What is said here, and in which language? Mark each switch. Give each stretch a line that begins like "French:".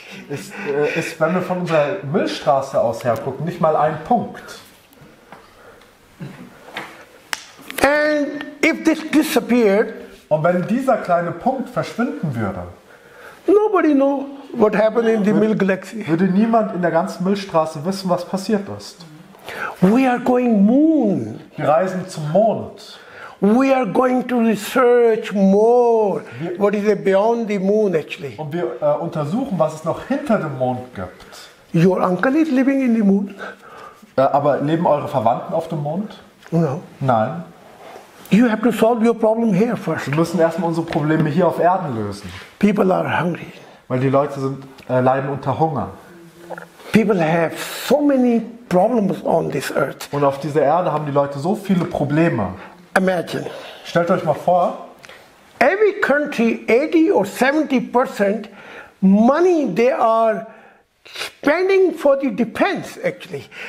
German: Ist, wenn wir von unserer Milchstraße aus hergucken, nicht mal ein Punkt.
English: And if this disappeared,
German: und wenn dieser kleine Punkt verschwinden würde,
English: nobody know what happened in the Milky Galaxy.
German: Würde niemand in der ganzen Milchstraße wissen, was passiert ist.
English: We are going moon.
German: Wir reisen zum Mond.
English: We are going to research more. What is beyond the moon actually?
German: Und wir untersuchen, was es noch hinter dem Mond gibt.
English: Your uncle is living in the moon.
German: Aber leben eure Verwandten auf dem Mond?
English: No.
German: Nein.
English: You have to solve your problem here first.
German: Wir müssen erstmal unsere Probleme hier auf Erden lösen.
English: People are hungry.
German: Weil die Leute sind leiden unter Hunger.
English: People have so many problems on this earth.
German: Und auf dieser Erde haben die Leute so viele Probleme.
English: Imagine.
German: Stellt euch mal vor.
English: Every country 80 or 70% money they are spending for the defense actually.